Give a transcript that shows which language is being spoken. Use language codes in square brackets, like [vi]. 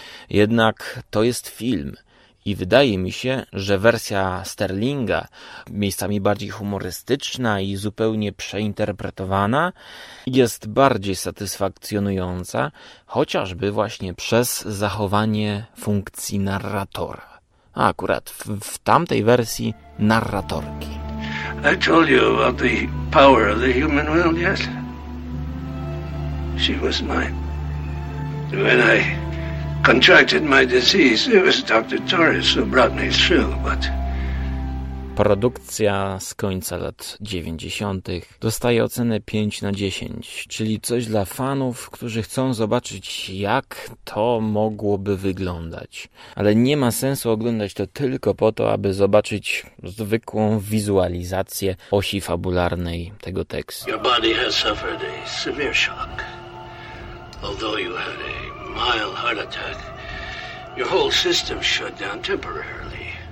[pl] Jednak to jest film i wydaje mi się, że wersja Sterlinga, miejscami bardziej humorystyczna i zupełnie przeinterpretowana, jest bardziej satysfakcjonująca, chociażby właśnie przez zachowanie funkcji narratora. A akurat w tamtej wersji narratorki. [en] I told you about the power of the human will, yes? She was mine. When I contracted my disease, it was Dr. Torres who brought me through, but... [pl] Produkcja z końca lat 90. dostaje ocenę 5/10, czyli coś dla fanów, którzy chcą zobaczyć, jak to mogłoby wyglądać. Ale nie ma sensu oglądać to tylko po to, aby zobaczyć zwykłą wizualizację osi fabularnej tego tekstu. [en] Your body has suffered a severe shock. Although you had a mild heart attack, your whole system shut down temporarily.